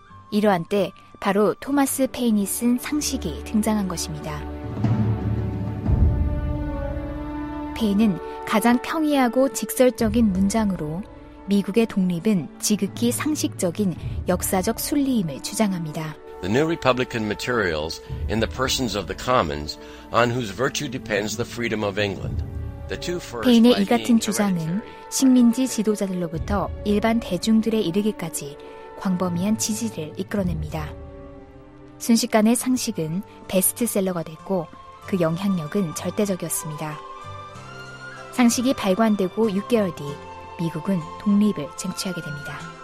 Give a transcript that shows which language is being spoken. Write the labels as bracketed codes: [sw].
[ko] 이러한 때 바로 토마스 페인이 쓴 상식이 등장한 것입니다. 페인은 가장 평이하고 직설적인 문장으로 미국의 독립은 지극히 상식적인 역사적 순리임을 주장합니다. [en] The new republican materials in the persons of the commons on whose virtue depends the freedom of England. The two first [ko] 페인의 이 같은 주장은 식민지 지도자들로부터 일반 대중들에 이르기까지 광범위한 지지를 이끌어냅니다. 순식간에 상식은 베스트셀러가 됐고 그 영향력은 절대적이었습니다. 상식이 발간되고 6개월 뒤 미국은 독립을 쟁취하게 됩니다.